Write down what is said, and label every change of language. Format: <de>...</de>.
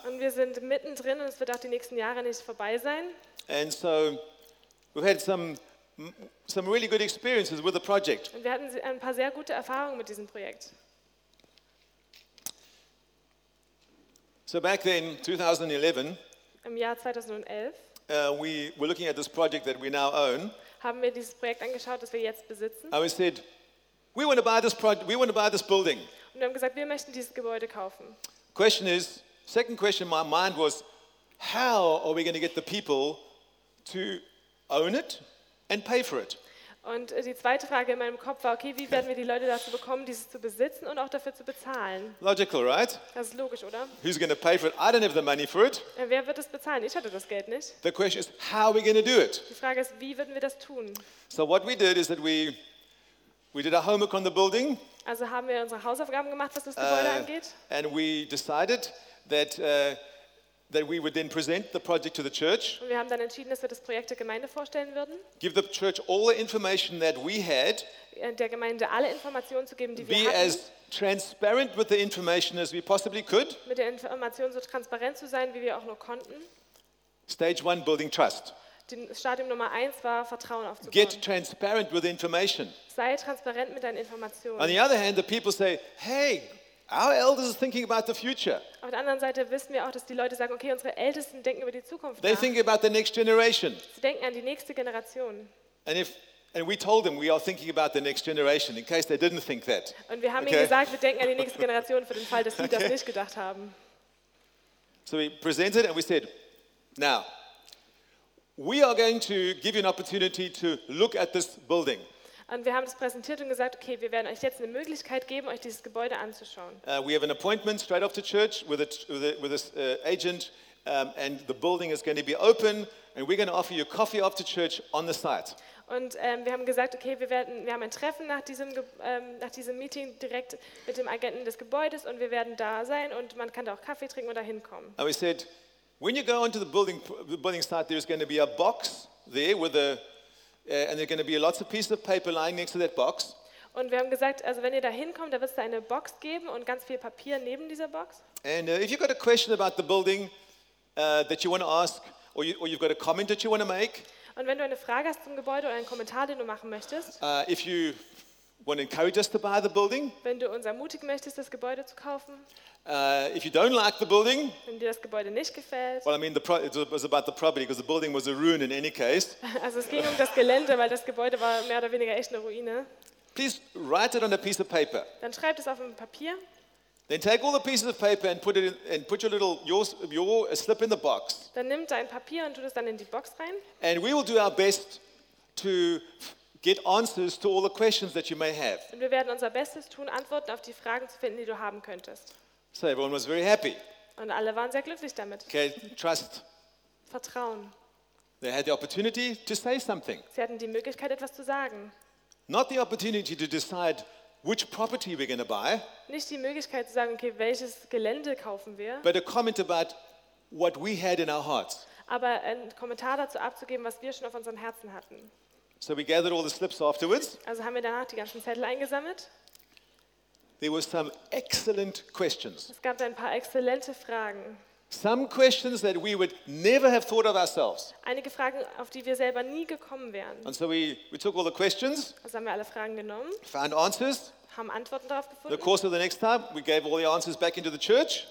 <de>Und wir sind mittendrin und es wird auch die nächsten Jahre nicht vorbei sein.</de> <en>And so we've had some really good experiences with the project.</en> <de>Und wir hatten ein paar sehr gute Erfahrungen mit diesem Projekt.</de> <en>So back then, 2011.</en> <de>Im Jahr 2011.</de> <en>We were looking at this project that we now own.</en> <de>Haben wir dieses Projekt angeschaut, das wir jetzt besitzen?</de> <en>And we said, we want to buy this project. We want to buy this building.</en> <de>Und wir haben gesagt, wir möchten dieses Gebäude kaufen.</de> <en>Second question in my mind was, how are we going to get the people to own it and pay for it.</en> <de>Und die zweite Frage in meinem Kopf war, okay, wie werden wir die Leute dazu bekommen, dieses zu besitzen und auch dafür zu bezahlen?</de> <en>Logical, right?</en> <de>Das ist logisch, oder?</de> <en>Who's going to pay for it? I don't have the money for it.</en> <de>Wer wird das bezahlen? Ich hatte das Geld nicht.</de> <en>The question is, how are we going to do it?</en> <de>Die Frage ist, wie würden wir das tun?</de> <en>So what we did is that we did our homework on the building.</en> <de>Also haben wir unsere Hausaufgaben gemacht, was das Gebäude angeht.</de> <en>And we decided that that we would then present the project to the church.</en> <de>Und wir haben dann entschieden, dass wir das Projekt der Gemeinde vorstellen würden.</de> <en>Give the church all the information that we had.</en> <de>Der Gemeinde alle Informationen zu geben, die wir hatten.</de> <en>Be as transparent with the information as we possibly could.</en> <de>Mit der Information so transparent zu sein, wie wir auch nur konnten.</de> <en>Stage 1, building trust.</en> <de>Stadium Nummer 1 war Vertrauen aufzubauen.</de> <en>Get transparent with the information.</en> <de>Sei transparent mit deinen Informationen.</de> <en>On the other hand, the people say, hey, our elders are thinking about the future.</en> <de>Auf der anderen Seite wissen wir auch, dass die Leute sagen, okay, unsere Ältesten denken über die Zukunft nach.</de> <en>They think about the next generation.</en> <de>Sie denken an die nächste Generation.</de> <en>And we told them we are thinking about the next generation in case they didn't think that.</en> <de>Und wir haben ihnen gesagt, wir denken an die nächste Generation für den Fall, dass sie das nicht gedacht haben.</de> <en>So we presented and we said, now, we are going to give you an opportunity to look at this building.</en> <de>Und wir haben das präsentiert und gesagt, okay, wir werden euch jetzt eine Möglichkeit geben, euch dieses Gebäude anzuschauen.</de> <en>We have an appointment straight after church with this agent, and the building is going to be open, and we're going to offer you coffee after church on the site.</en> <de>Und wir haben gesagt, okay, wir haben ein Treffen nach diesem Meeting direkt mit dem Agenten des Gebäudes, und wir werden da sein, und man kann da auch Kaffee trinken oder hinkommen.</de> <en>And we said, when you go onto the building site, there's going to be a box there with a and there's going to be lots of pieces of paper lying next to that box.</en> <de>Und wir haben gesagt, also wenn ihr da hinkommt, da wird es da eine Box geben und ganz viel Papier neben dieser Box.</de> <en>And if you've got a question about the building that you want to ask, or you've got a comment that you want to make.</en> <de>Und wenn du eine Frage hast zum Gebäude oder einen Kommentar, den du machen möchtest.</de> <en>If you want to encourage us to buy the building.</en> <de>Wenn du uns ermutigen möchtest, das Gebäude zu kaufen.</de> <en>If you don't like the building,</en> <de>wenn dir das Gebäude nicht gefällt,</de> <en>well, I mean, it was about the property because the building was a ruin in any case.</en> <de>Also es ging um das Gelände, weil das Gebäude war mehr oder weniger echt eine Ruine.</de> <en>Please write it on a piece of paper.</en> <de>Dann schreib es auf ein Papier.</de> <en>Then take all the pieces of paper and put your slip in the box.</en> <de>Dann nimm dein Papier und tu das dann in die Box rein.</de> <en>And we will do our best to get answers to all the questions that you may have.</en> <de>Und wir werden unser Bestes tun, Antworten auf die Fragen zu finden, die du haben könntest.</de> <en>So everyone was very happy.</en> <de>Und alle waren sehr glücklich damit.</de> <en>Okay, trust.</en> <de>Vertrauen.</de> <en>They had the opportunity to say something.</en> <de>Sie hatten die Möglichkeit, etwas zu sagen.</de> <en>Not the opportunity to decide which property we're going to buy.</en> <de>Nicht die Möglichkeit zu sagen, okay, welches Gelände kaufen wir.</de> <en>But a comment about what we had in our hearts.</en> <de>Aber ein Kommentar dazu abzugeben, was wir schon auf unseren Herzen hatten.</de> <en>So we gathered all the slips afterwards.</en> <de>Also haben wir danach die ganzen Zettel eingesammelt.</de> <en>There were some excellent questions.</en> <de>Es gab ein paar exzellente Fragen.</de> <en>Some questions that we would never have thought of ourselves.</en> <de>Einige Fragen, auf die wir selber nie gekommen wären.</de> <en>And so we took all the questions.</en> <de>Also haben wir alle Fragen genommen.</de> <en>Found answers.</en> <de>Haben Antworten darauf gefunden.</de> <en>The course of the next time, we gave all the answers back into the church.</en>